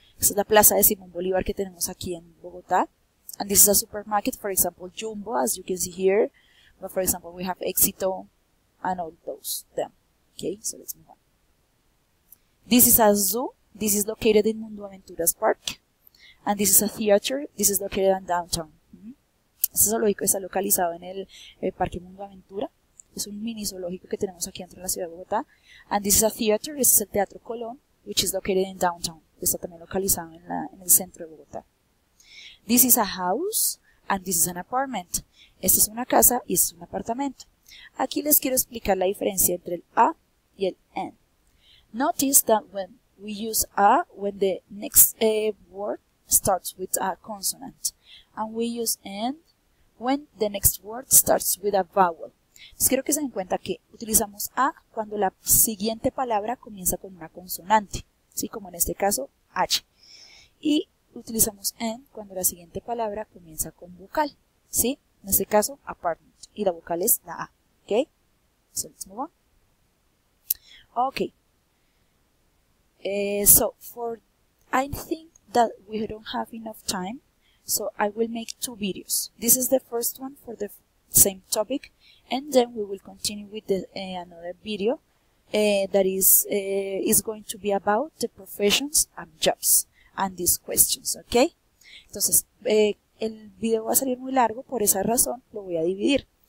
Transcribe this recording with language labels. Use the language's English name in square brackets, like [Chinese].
[Spanish] Esa es la plaza de Simón Bolívar que tenemos aquí en Bogotá. [English] And this is a supermarket, for example, Jumbo, as you can see here. But for example, we have Éxito and all those them. Okay, so let's move on. This is a zoo. This is located in Mundo Aventuras Park. And this is a theater. This is located in downtown. [Spanish] Este zoológico está localizado en el Parque Mundo Aventura. Es un mini zoológico que tenemos aquí dentro de la ciudad de Bogotá. [English] And this is a theater. [Spanish] Este es el Teatro Colón, [English] which is located in downtown. [Spanish] Está también localizado en el centro de Bogotá. [English] This is a house and this is an apartment. [Spanish] Esta es una casa y este es un apartamento. Aquí les quiero explicar la diferencia entre el a y el an. [English] Notice that when we use a, when the next word starts with a consonant. And we use an when the next word starts with a vowel. [Spanish] Entonces quiero que se den cuenta que utilizamos a cuando la siguiente palabra comienza con una consonante. ¿Sí? Como en este caso, h. Y utilizamos an cuando la siguiente palabra comienza con vocal. ¿Sí? En este caso, apartment. Y la vocal es la a. ¿Ok? [English] So let's move on. [Spanish] Ok. [English] I think that we don't have enough time, so I will make two videos. This is the first one for the same topic, and then we will continue with the, another video that is going to be about the professions and jobs and these questions, okay? [Spanish] Entonces, el video va a salir muy largo, por esa razón lo voy a dividir.